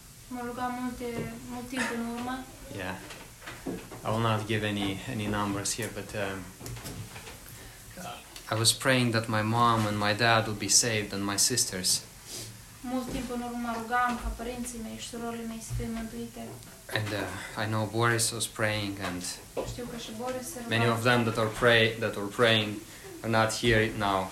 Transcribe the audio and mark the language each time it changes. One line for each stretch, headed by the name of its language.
Romanian: Mă rugam mult timp în urmă.
English: Yeah. I will not give any numbers here, but I was praying that my mom and my dad would be saved and my sisters.
Romanian: Mult timp în urmă rugam ca părinții mei și surorile mei să fie mântuite.
English: And I know Boris was praying, and
Romanian: știu că și Boris se rugă.
English: Many of them that are praying are not here now.